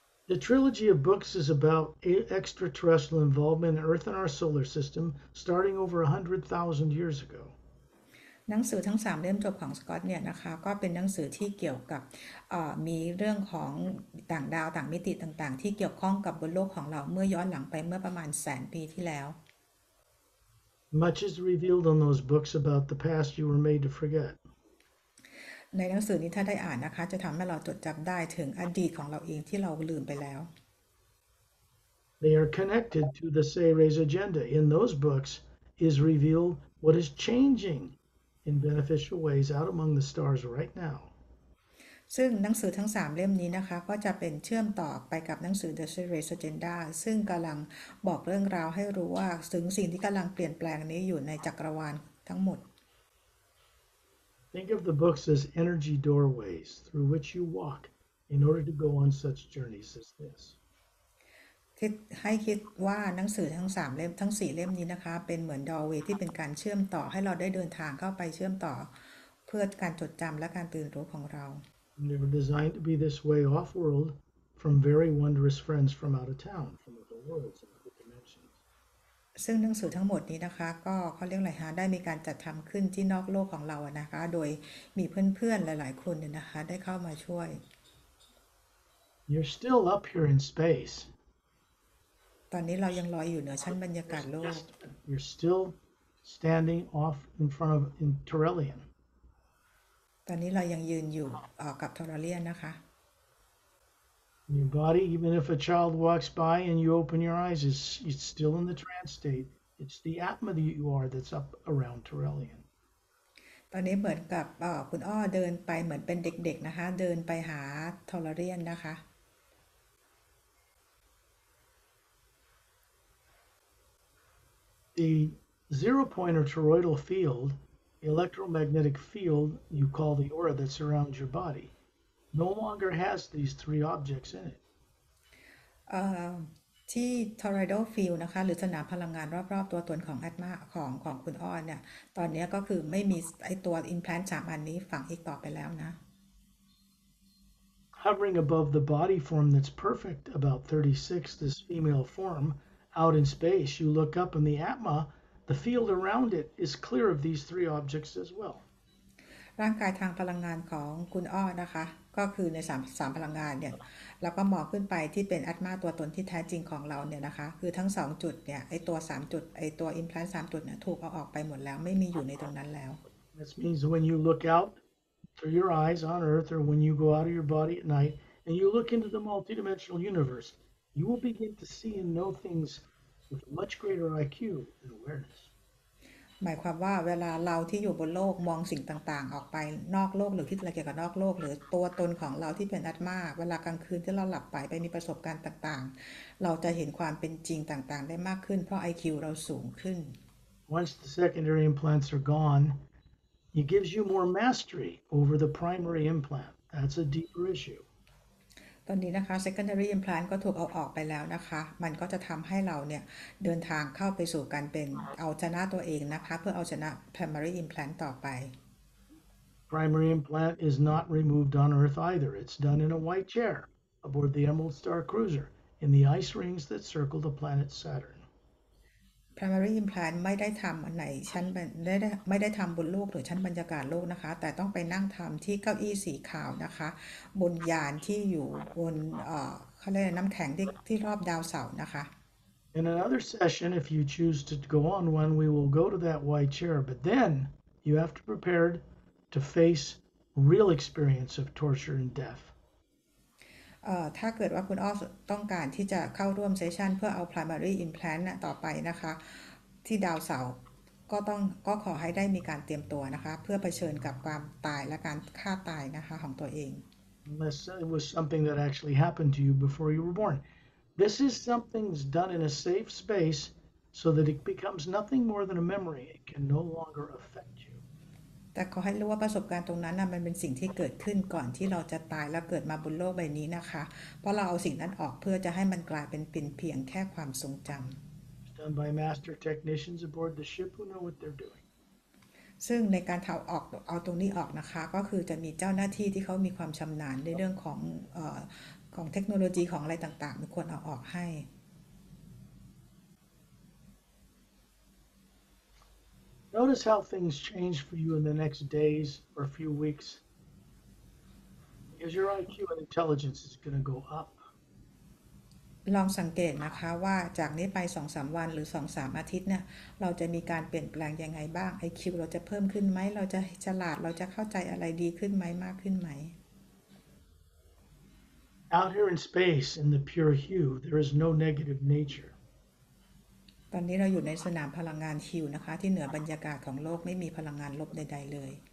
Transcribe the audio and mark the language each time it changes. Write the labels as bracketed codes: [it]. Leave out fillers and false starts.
[en] The trilogy of books is about extraterrestrial involvement in Earth and our solar system, starting over 100,000 years ago. [th] หนังสือทั้ง3 เล่มจบของสกอตเนี่ยนะคะก็เป็นหนังสือที่เกี่ยวกับมีเรื่องของต่างดาวต่างมิติต่างๆที่เกี่ยวข้องกับบนโลกของเราเมื่อย้อนหลังไปเมื่อประมาณ100,000 ปีที่แล้ว [en] Much is revealed on those books about the past you were made to forget. [th] ในหนังสือนี้ถ้าได้อ่านนะคะจะทำให้เราจดจำได้ถึงอดีตของเราเองที่เราลืมไปแล้ว [en] They are connected to the Seres agenda. In those books is revealed what is changing in beneficial ways out among the stars right now. [th] ซึ่งหนังสือทั้ง3 เล่มนี้นะคะก็จะเป็นเชื่อมต่อไปกับหนังสือ The Seres Agenda ซึ่งกำลังบอกเรื่องราวให้รู้ว่าถึงสิ่งที่กำลังเปลี่ยนแปลงนี้อยู่ในจักรวาลทั้งหมด [en] Think of the books as energy doorways through which you walk in order to go on such journeys as this. [th] คิดให้คิดว่าหนังสือทั้ง3 เล่มทั้ง4 เล่มนี้นะคะเป็นเหมือนดอร์เวย์ที่เป็นการเชื่อมต่อให้เราได้เดินทางเข้าไปเชื่อมต่อเพื่อการจดจำและการตื่นรู้ของเรา [en] They were designed to be this way off world from very wondrous friends from out of town, from other worlds and other dimensions. [th] ซึ่งหนังสือทั้งหมดนี้นะคะก็เขาเรียกอะไรฮะได้มีการจัดทําขึ้นที่นอกโลกของเรานะคะโดยมีเพื่อนๆหลายๆคนเนี่ยนะคะได้เข้ามาช่วย [en] You're still up here in space. [th] ตอนนี้เรายังลอยอยู่เหนือชั้นบรรยากาศโลก [en] You're still standing off in front of in Torellian. [th] ตอนนี้เรายังยืนอยู่กับทอร์เรียนนะคะ [en] Your body, even if a child walks by and you open your eyes, it's still in the trance state. It's the Atma that you are that's up around Torellian. [th] ตอนนี้เหมือนกับคุณอ้อเดินไปเหมือนเป็นเด็กๆนะคะเดินไปหาทอร์เรียนนะคะ [en] The zero point or toroidal fieldElectromagnetic field you call the aura that surrounds your body no longer has these three objects in it. [th] ที่ Torrido Field นะคะหรือสนามพลังงานรอบๆตัวตนของอาตมาของคุณอ้อนเนี่ยตอนนี้ก็คือไม่มีไอตัว implant 3 อันนี้ฝังอีกต่อไปแล้วนะ [en] Hovering above the body form that's perfect about 36 this female form out in space you look up in the Atma. The field around it is clear of these three objects as well. [th] ร่างกายทางพลังงานของคุณอ้อนะคะก็คือในสามพลังงานเนี่ยแล้วก็มองขึ้นไปที่เป็นอาตมาตัวตนที่แท้จริงของเราเนี่ยนะคะคือทั้ง2 จุดเนี่ยไอตัว3 จุดไอตัวอิมพลานต์3 จุดเนี่ยถูกเอาออกไปหมดแล้วไม่มีอยู่ในตรงนั้นแล้ว [en] This means when you look out through your eyes on Earth or when you go out of your body at night and you look into the multidimensional universe, you will begin to see and know things. With a much greater IQ and awareness. [th] หมายความว่าเวลาเราที่อยู่บนโลกมองสิ่งต่างๆออกไปนอกโลกหรือคิดอะไรเกี่ยวกับนอกโลกหรือตัวตนของเราที่เป็นอาตมาเวลากลางคืนที่เราหลับไปมีประสบการณ์ต่างๆเราจะเห็นความเป็นจริงต่างๆได้มากขึ้นเพราะ IQ เราสูงขึ้น [en] Once the secondary implants are gone, it gives you more mastery over the primary implant. That's a deeper issue. [th] ตอนนี้นะคะ secondary implant ก็ถูกเอาออกไปแล้วนะคะมันก็จะทำให้เราเนี่ยเดินทางเข้าไปสู่การเป็นเอาชนะตัวเองนะคะเพื่อเอาชนะ primary implant ต่อไป [en] primary implant is not removed on earth either it's done in a white chair aboard the Emerald Star Cruiser in the ice rings that circle the planet Saturn [th] primary implant ไม่ได้ทำในชั้นไม่ได้ทำบนโลกหรือชั้นบรรยากาศโลกนะคะแต่ต้องไปนั่งทำที่เก้าอี้สีขาวนะคะบนยานที่อยู่บนเขาเรียกน้ำแข็งที่รอบดาวเสาร์นะคะ [en] In another session if you choose to go on one we will go to that white chair but then you have to prepare to face real experience of torture and death [th] ถ้าเกิดว่าคุณอ้อต้องการที่จะเข้าร่วมเซสชันเพื่อเอา primary implant ต่อไปนะคะที่ดาวเสาร์ก็ขอให้ได้มีการเตรียมตัวนะคะเพื่อเผชิญกับความตายและการฆ่าตายนะคะของตัวเอง [en] Unless it was something that actually happened to you before you were born. This is something that's done in a safe space so that it becomes nothing more than a memory. It can no longer affect you. [th] แต่ขอให้รู้ว่าประสบการณ์ตรงนั้นนะมันเป็นสิ่งที่เกิดขึ้นก่อนที่เราจะตายแล้วเกิดมาบนโลกใบนี้นะคะเพราะเราเอาสิ่งนั้นออกเพื่อจะให้มันกลายเป็นเพียงแค่ความทรงจ [en] It's done by master technicians aboard the ship who know what they're doing. [th] ำซึ่งในการเอาตรงนี้ออกนะคะก็คือจะมีเจ้าหน้าที่ที่เขามีความชำนาญในเรื่องของของเทคโนโลยีของอะไรต่างๆมีคนเอาออกให้ [en] Notice how things change for you in the next days or few weeks. Because your IQ and intelligence is going to go up. [th] ลองสังเกตนะคะว่าจากนี้ไป2-3วันหรือ2-3อาทิตย์เนี่ยเราจะมีการเปลี่ยนแปลงยังไงบ้าง IQ เราจะเพิ่มขึ้นไหมเราจะฉลาดเราจะเข้าใจอะไรดีขึ้นไหมมากขึ้นไหม [en] Out here in space, in the pure hue, there is no negative nature. [th] ตอนนี้เราอยู่ในสนามพลังงานฮิวนะคะที่เหนือบรรยากาศของโลกไม่มีพลังงานลบใดๆเลย